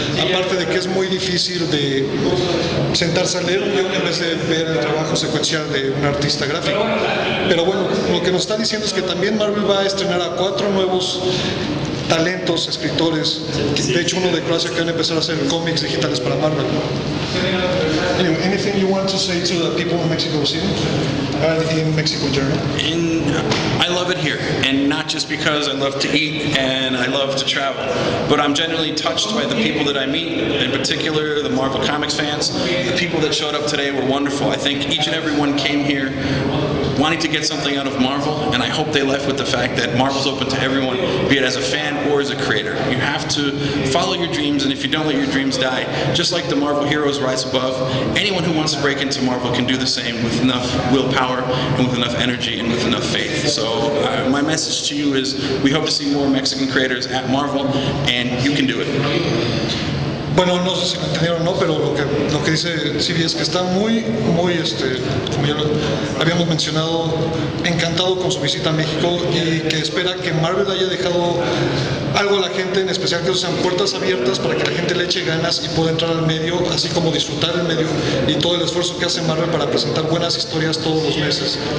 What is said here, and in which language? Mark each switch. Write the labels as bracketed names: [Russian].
[Spanish] Aparte de que es muy difícil de sentarse a leer un guion en vez de ver el trabajo secuencial de un artista gráfico. Pero bueno, lo que nos está diciendo es que también Marvel va a estrenar a 4 nuevos talentos, escritores, de hecho uno de Croacia que van a empezar a hacer cómics digitales para Marvel. [English] Anything you want to say to the people in Mexico City, in Mexico Journal? I love it here, and not just because I love to eat and I love to travel, but I'm genuinely touched by the people that I meet, in particular the Marvel Comics fans. The people that showed up today were wonderful. I think each and every one came here wanting to get something out of Marvel, and I hope they left with the fact that Marvel's open to everyone, be it as a fan or as a creator. You have to follow your dreams, and if you don't, let your dreams die. Just like the Marvel heroes rise above, anyone who wants to break into Marvel can do the same with enough willpower and with enough energy and with enough faith. So my message to you is, we hope to see more Mexican creators at Marvel, and you can do it. [Spanish] Bueno, no sé si lo entendieron o no, pero lo que dice Silvia es que está muy, muy, como ya lo habíamos mencionado, encantado con su visita a México y que espera que Marvel haya dejado algo a la gente, en especial que sean puertas abiertas para que la gente le eche ganas y pueda entrar al medio, así como disfrutar el medio y todo el esfuerzo que hace Marvel para presentar buenas historias todos los meses.